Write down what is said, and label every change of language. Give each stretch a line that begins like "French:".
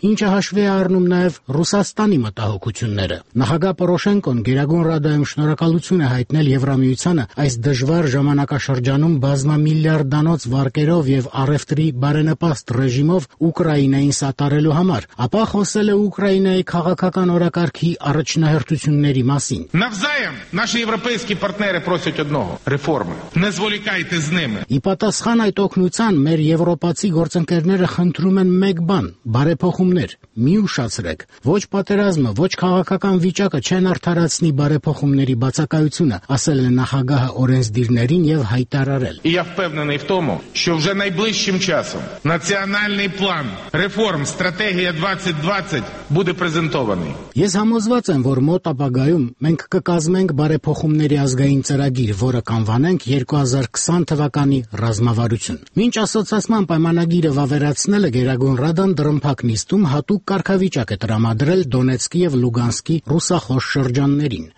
Armenian: ինչը հաշվի է առնում նաև Ռուսաստանի մտահոգությունները։ Նախագահ Պորոշենկոն Գերագույն Ռադայում շնորհակալություն է հայտնել Եվրամիությանը այս դժվար ժամանակաշրջանում բազմամիլիարդանոց վարկերով և առևտրի բարենպաստ ռեժիմով Ուկրաինային սատարելու համար, ապա խոսել է Ուկրաինայի քաղաքական օրակարգի առաջնահերթությունների մասին։
Ukrainian: Навзаєм наші європейські партнери просять одного реформи. Не зволікайте з ними.
Armenian: І պատասխան այդ օգնության մեր եվրոպացի գործընկերները խնդրում են մեկ բան՝ բարեփոխումներ։ Մի ուշացրեք, ոչ պատերազմը, ոչ քաղաքական վիճակը չեն արդարացնի բարեփոխումների բացակայությունը, ասել է նախագահը օրենսդիրներին եւ հայտարարել։
Ukrainian: І я впевнений в тому, що вже найближчим часом національний план реформ стратегія 2020 буде презентований.
Armenian: Ես համոզված եմ, որ մոտ ապագայում մենք կկազմենք բարեփոխումների ազգային ծրագիր, որը կանվանենք 2020 թվականի ռազմավարություն։ Մինչ ասոցացման պայմանագիրը վավերացնել է Գերագույն Ռադան, դրմփակ նիստում հատուկ կարգավիճակ է տրամադրել Դոնեցկի և Լուգանսկի ռուսախոս շրջաններին։